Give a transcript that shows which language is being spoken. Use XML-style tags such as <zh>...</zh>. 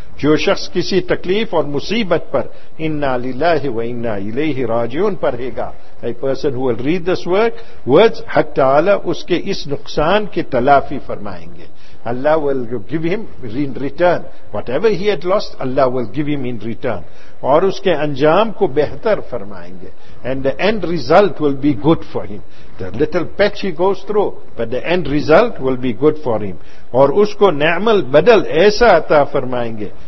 <ur>جو شخص کسی تکلیف اور مصیبت پر</ur> <ar>انا للہ و انا الیہ راجعون</ar> <ur>پڑھے گا,</ur> <en>a person who will read this words,</en> <ur>حق تعالی اس کے اس نقصان کے تلافی فرمائیں گے.</ur> <en>Allah will give him in return. Whatever he had lost, Allah will give him in return.</en> <ur>اور اس کے انجام کو بہتر فرمائیں گے.</ur> <en>And the end result will be good for him. The little patch he goes through, but the end result will be good for him.</en> <ur>اور اس کو نعم البدل ایسا عطا فرمائیں گے.</ur>